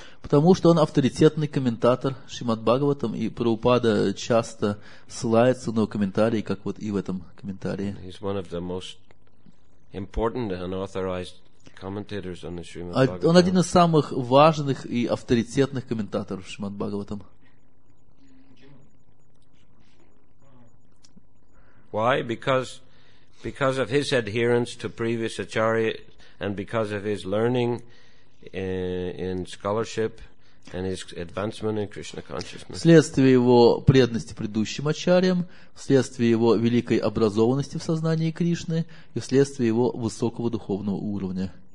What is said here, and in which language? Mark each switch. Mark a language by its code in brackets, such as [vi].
[ru] Потому что он авторитетный комментатор Шримад Бхагаватам, и Прабхупада часто ссылается на его комментарии, как вот и в этом комментарии. [en] He's one of the most important and authorized commentators on the Shrimad Bhagavatam. [ru] Он один из самых важных и авторитетных комментаторов Шримад Бхагаватам. [en] Why? Because of his adherence to previous acharya, and because of his learning in scholarship and his advancement in Krishna consciousness. [ru] Вследствие его преданности предыдущим ачарьям, вследствие его великой образованности в сознании Кришны и вследствие его высокого духовного уровня.